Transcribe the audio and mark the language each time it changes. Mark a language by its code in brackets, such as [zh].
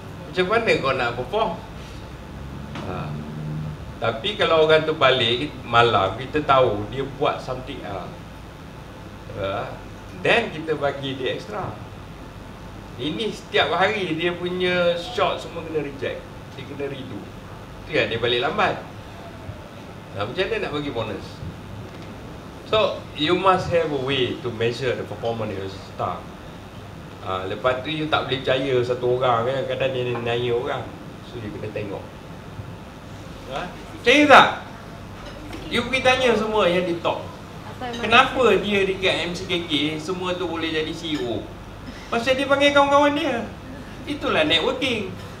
[ms] Macam mana kau nak perform? Ha. Tapi kalau orang tu balik malam, kita tahu dia buat [en] something else. [ms] Then kita bagi dia extra. Ini setiap hari dia punya shot semua kena reject. Dia kena redo. Itu yang dia balik lambat. Macam mana nak bagi bonus? [en] So, you must have a way to measure the performance of your staff. [ms] Lepas tu, you tak boleh percaya satu orang kan. Kadang-kadang dia nanya orang. So, you kena tengok. Percaya tak? You pergi tanya semua yang di top. Kenapa dia dekat MCKK, semua tu boleh jadi CEO? Pasal dia panggil kawan-kawan dia. Itulah networking.